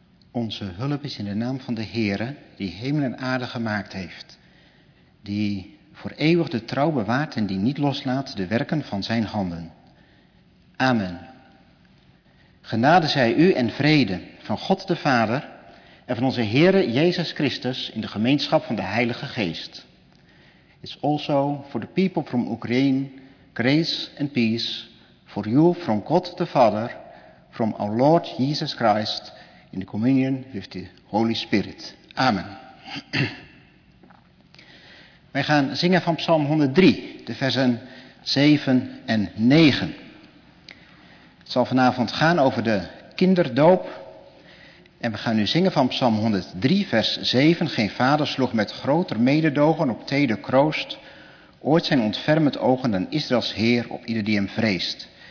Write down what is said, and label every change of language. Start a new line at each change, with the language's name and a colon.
Dutch: Onze hulp is in de naam van de Heere, die hemel en aarde gemaakt heeft, die voor eeuwig de trouw bewaart en die niet loslaat de werken van zijn handen. Amen. Genade zij u en vrede van God de Vader en van onze Heere Jezus Christus in de gemeenschap van de Heilige Geest.
English: It's also for the people from Ukraine, grace and peace for you from God the Father, from our Lord Jesus Christ, in the communion with the Holy Spirit. Amen.
Dutch: Wij gaan zingen van Psalm 103, de versen 7 en 9. Het zal vanavond gaan over de kinderdoop. En we gaan nu zingen van Psalm 103, vers 7. Geen vader sloeg met groter mededogen op teder kroost ooit zijn ontfermend ogen dan Israëls Heer op ieder die hem vreest.